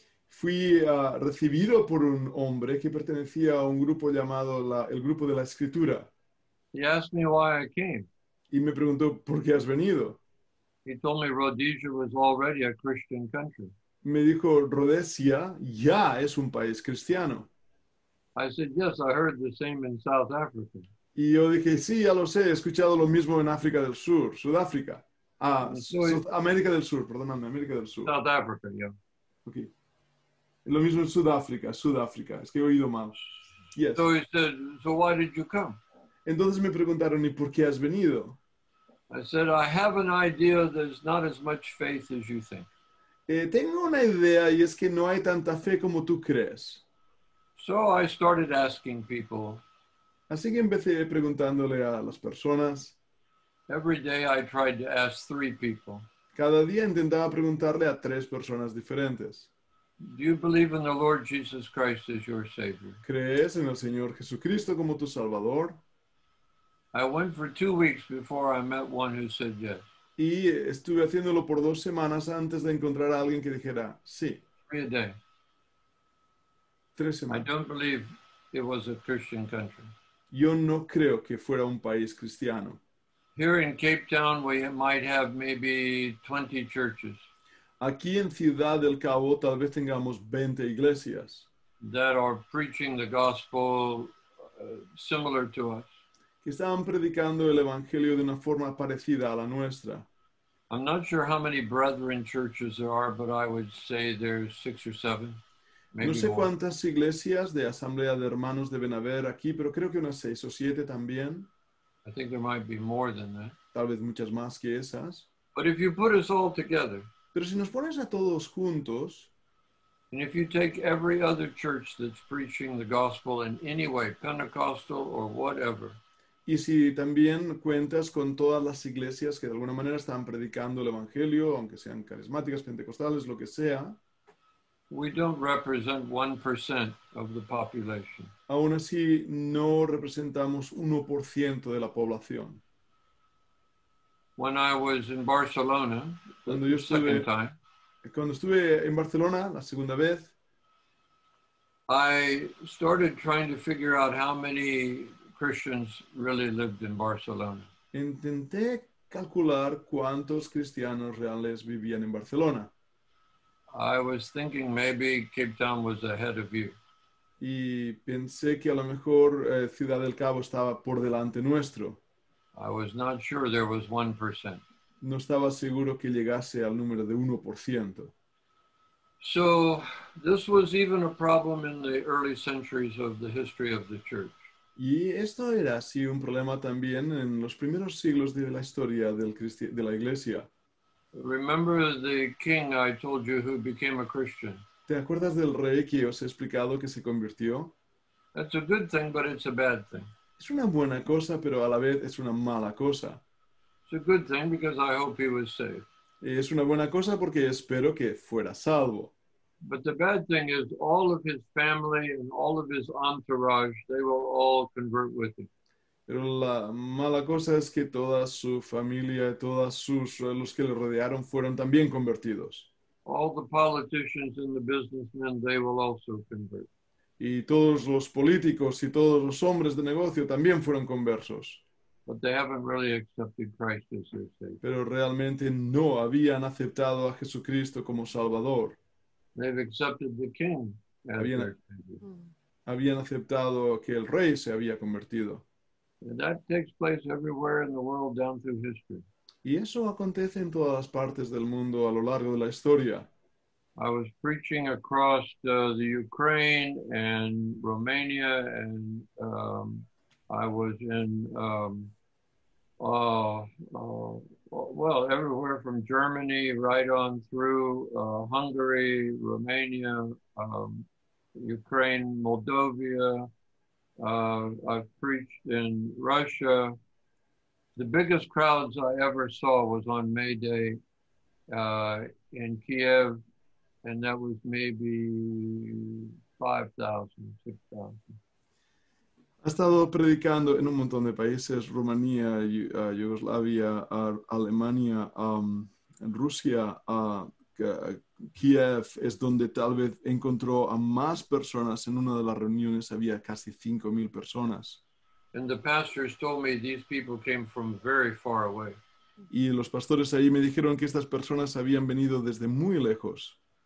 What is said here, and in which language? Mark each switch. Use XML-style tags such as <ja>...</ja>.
<es>Fui recibido por un hombre que pertenecía a un grupo llamado el grupo de la Escritura.</es> <en>He asked me why I came.</en> <es>Y me preguntó por qué has venido.</es> <en>He told me Rhodesia was already a Christian country.</en> <es>Me dijo Rhodesia ya es un país cristiano.</es> <en>I said yes, I heard the same in South Africa.</en> <es>Y yo dije sí, ya lo sé, he escuchado lo mismo en África del Sur, Sudáfrica. Ah, América del Sur, perdóname, América del Sur.</es> <en>South Africa, yeah.</en> <es>Okay. Lo mismo en Sudáfrica, Sudáfrica. Es que he oído mal. Yes.</es> <en>So he said, so why did you come?</en> <es>Entonces me preguntaron, ¿y por qué has venido?</es> <en>I said, I have an idea there's not as much faith as you think.</en> <es>Tengo una idea y es que no hay tanta fe como tú crees.</es> <en>So I started asking people.</en> <es>Así que empecé preguntándole a las personas.</es> <en>Every day I tried to ask three people.</en> <es>Cada día intentaba preguntarle a tres personas diferentes.</es> <en>Do you believe in the Lord Jesus Christ as your Savior?</en> <es>¿Crees en el Señor Jesucristo como tu Salvador?</es> <en>I went for 2 weeks before I met one who said yes.</en> <es>Y estuve haciéndolo por 2 semanas antes de encontrar a alguien que dijera sí.</es> <en>3 a day.</en> <es>3 semanas.</es> <en>I don't believe it was a Christian country.</en> <es>Yo no creo que fuera un país cristiano.</es> <en>Here in Cape Town, we might have maybe 20 churches.</en> <es>Aquí en Ciudad del Cabo, tal vez tengamos 20 iglesias.</es> <en>That are preaching the gospel similar to us.</en> <es>Que están predicando el evangelio de una forma parecida a la nuestra.</es> <en>I'm not sure how many brethren churches there are, but I would say there's 6 or 7.</en> <es>No sé cuántas iglesias de asamblea de hermanos deben haber aquí, pero creo que unas 6 o 7 también.</es> <en>I think there might be more than that.</en> <es>Tal vez muchas más que esas.</es> <en>But if you put us all together,</en> <es>pero si nos pones a todos juntos,</es> <en>and if you take every other church that's preaching the gospel in any way, Pentecostal or whatever,</en> <es>y si también cuentas con todas las iglesias que de alguna manera están predicando el evangelio, aunque sean carismáticas, pentecostales, lo que sea,</es> <en>we don't represent 1% of the population.</en> <es>Aún así, no representamos 1% de la población.</es> <en>When I was in Barcelona,</en> <es>cuando estuve en Barcelona la segunda vez,</es> <en>I started trying to figure out how many Christians really lived in Barcelona.</en> <es>Intenté calcular cuántos cristianos reales vivían en Barcelona.</es> <en>I was thinking maybe Cape Town was ahead of you.</en> <es>Y pensé que a lo mejor Ciudad del Cabo estaba por delante nuestro.</es> <en>I was not sure there was 1%.</en> <es>No estaba seguro que llegase al número de 1%.</es> <en>So this was even a problem in the early centuries of the history of the church.</en> <es>Y esto era así un problema también en los primeros siglos de la historia de la iglesia.</es> <en>Remember the king I told you who became a Christian?</en> <es>¿Te acuerdas del rey que os he explicado que se convirtió?</es> <en>That's a good thing, but it's a bad thing.</en> <es>Es una buena cosa, pero a la vez es una mala cosa.</es> <en>It's a good thing because I hope he was saved.</en> <es>Es una buena cosa porque espero que fuera salvo.</es> <en>But the bad thing is all of his family and all of his entourage, they will all convert with him.</en> <es>Pero la mala cosa es que toda su familia, todos sus los que le rodearon fueron también convertidos.</es> <en>All the politicians and the businessmen, they will also convert.</en> <es>Y todos los políticos y todos los hombres de negocio también fueron conversos.</es> <en>But they haven't really accepted Christ as their Savior.</en> <es>Pero realmente no habían aceptado a Jesucristo como Salvador.</es> <en>They've accepted the King as their Savior.</en> <es>Habían aceptado que el rey se había convertido.</es> <en>And that takes place everywhere in the world down through history.</en> <es>Y eso acontece en todas las partes del mundo a lo largo de la historia.</es> <en>I was preaching across the Ukraine and Romania, and I was in everywhere from Germany right on through Hungary, Romania, Ukraine, Moldova. I've preached in Russia. The biggest crowds I ever saw was on May Day in Kiev, and that was maybe 5,000, 6,000.</en> <es>Ha estado predicando en un montón de países, Rumanía, Yugoslavia, Alemania, en Rusia, Kiev es donde tal vez encontró a más personas. En una de las reuniones había casi 5,000 personas.</es> <en>And the pastors told me these people came from very far away.</en> <es>Y los pastores ahí me dijeron que estas personas habían venido desde muy lejos.</es>